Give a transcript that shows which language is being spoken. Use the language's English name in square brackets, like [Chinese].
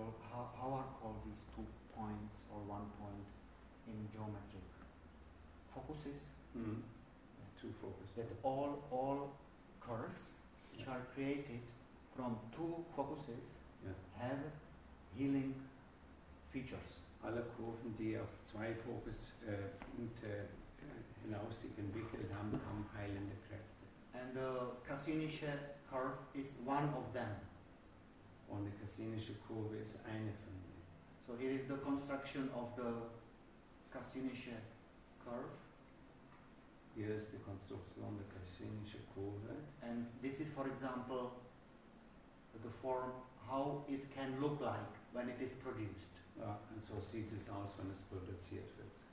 [English] How are called these two points or one point in geometric focuses? Two focuses. That all curves which are created from two focuses have healing features. [German] Alle Kurven, die auf zwei Fokuspunkte hinaus sich entwickelt haben, haben heilende Kräfte. [English] And the Cassinische curve is one of them. [German] Und die Cassinische Kurve ist eine von denen. [English] So here is the construction of the Cassinische curve. [German] Hier ist die Konstruktion der Cassinische Kurve. [English] And this is, for example, the form how it can look like when it is produced. [German] Ja, und so sieht es aus, wenn es produziert wird.